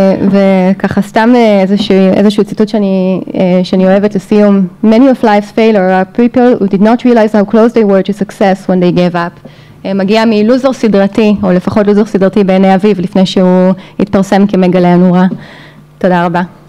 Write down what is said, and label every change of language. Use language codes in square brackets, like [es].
[he] וככה סתם איזשהו ציטוט שאני אוהבת לסיום. [en] Many of life's failure are people who did not realize how close they were to success when they gave up. [he] מגיע מלוזר סדרתי, או לפחות לוזר סדרתי בעיני אביב, לפני שהוא התפרסם כמגלה הנורה. תודה רבה.